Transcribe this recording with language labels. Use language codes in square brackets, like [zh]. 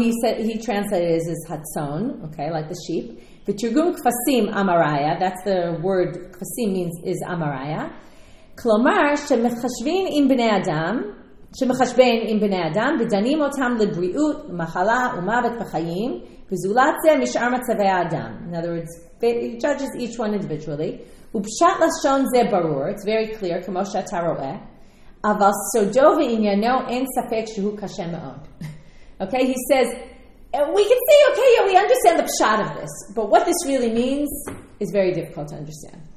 [en] He said he translated it as hatzon. Okay, like the sheep. V'tirgum kfasim amaraya. That's the word kfasim means is amaraya. Klomar shemechashvin im b'nei adam. [he] שמחשבן עם בני אדם, ודנים אותם לבריאות, מחלה ומוות בחיים, וזולת זה משאר מצבי האדם. [en] In other words, he judges each one individually. [he] ופשט לשון זה ברור, [en] it's very clear, [he] כמו שאתה רואה. [en] Aval sodo v'inyano en safek shehu kashe me'od. Okay, he says, we can say, okay, yeah, we understand the pshat of this, but what this really means is very difficult to understand.